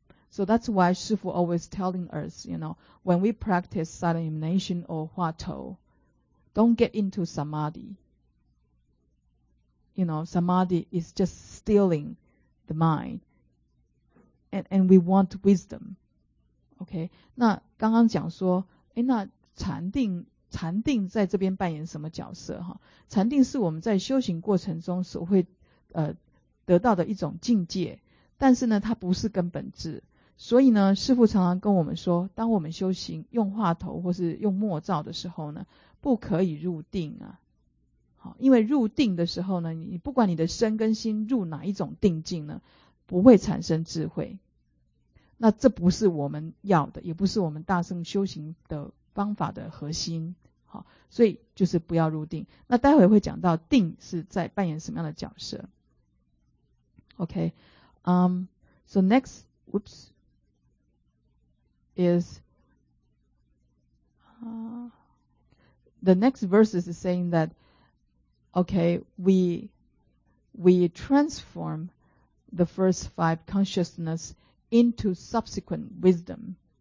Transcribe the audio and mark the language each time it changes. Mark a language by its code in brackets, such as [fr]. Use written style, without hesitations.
[en] So that's why Shifu always telling us, you know, when we practice silent illumination or hua tou, don't get into samadhi. You know, samadhi is just stealing the mind. And we want wisdom. Okay? [zh] 那刚刚讲说，诶，那禅定在这边扮演什么角色？禅定是我们在修行过程中所会得到的一种境界，但是呢，它不是根本智。所以呢，师父常常跟我们说，当我们修行用话头或是用默照的时候呢，不可以入定啊。因为入定的时候呢，你不管你的身跟心入哪一种定境呢，不会产生智慧。那这不是我们要的，也不是我们大乘修行的方法的核心。好，所以就是不要入定。那待会会讲到定是在扮演什么样的角色。 [en] OK, so next, whoops, is, the next verses is saying that,Okay, we transform the first five consciousness into subsequent wisdom.